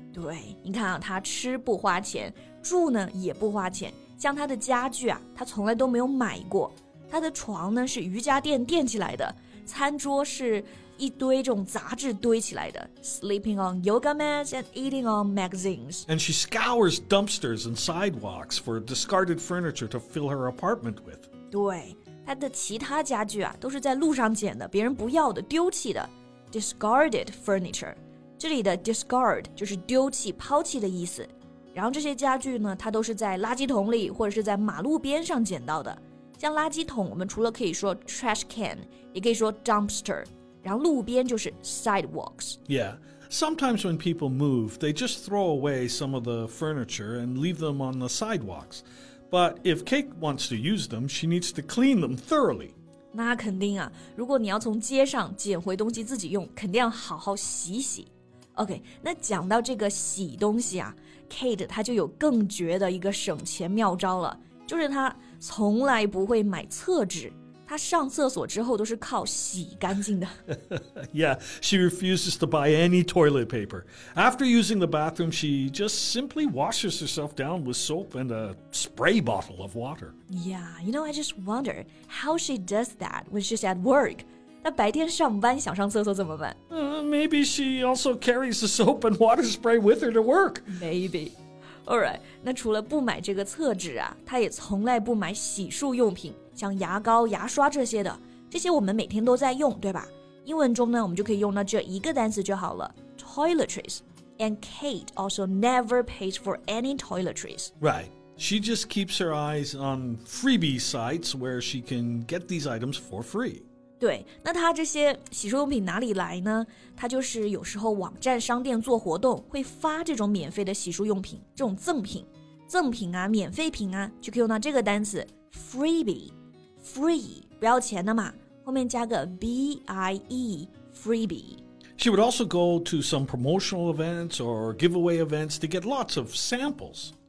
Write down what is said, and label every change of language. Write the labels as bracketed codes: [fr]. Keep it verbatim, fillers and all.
[zh] 对，你看啊，她吃不花钱，住呢也不花钱，像她的家具啊，她从来都没有买过。她的床呢是瑜伽垫垫起来的，餐桌是一堆这种杂志堆起来的 [en] sleeping on yoga mats and eating on magazines. And she scours dumpsters and sidewalks for discarded furniture to fill her apartment with. [zh] 对，她的其他家具啊都是在路上捡的，别人不要的，丢弃的 [en] discarded furniture. [zh] 这里的 discard 就是丢弃、抛弃的意思。然后这些家具呢，它都是在垃圾桶里或者是在马路边上捡到的。像垃圾桶我们除了可以说 trash can 也可以说 dumpster 然后路边就是 sidewalks [en] Yeah, sometimes when people move they just throw away some of the furniture and leave them on the sidewalks But if Kate wants to use them, she needs to clean them thoroughly [zh] 那肯定啊如果你要从街上捡回东西自己用肯定要好好洗洗 OK, 那讲到这个洗东西啊 Kate 她就有更绝的一个省钱妙招了就是她从来不会买厕纸她上厕所之后都是靠洗干净的 [en] Yeah, she refuses to buy any toilet paper. After using the bathroom, she just simply washes herself down with soap and a spray bottle of water. Yeah, you know, I just wonder how she does that when she's at work. [zh] 那白天上班想上厕所怎么办？ [en] Uh, maybe she also carries the soap and water spray with her to work. Maybe. [zh] Alright, 那除了不买这个厕纸啊，她也从来不买洗漱用品，像牙膏、牙刷这些的，这些我们每天都在用，对吧？英文中呢，我们就可以用到这一个单词就好了 ，toiletries. [en] And Kate also never pays for any toiletries. Right, she just keeps her eyes on freebie sites where she can get these items for free. [zh] 对，那她这些洗漱用品哪里来呢？她就是有时候网站商店做活动会发这种免费的洗漱用品，这种赠品，赠品啊，免费品啊，就可以用到这个单词 freebie， free 不要钱的嘛，后面加个 b i e freebie。 [en] She would also go to some promotional events or giveaway events to get lots of samples.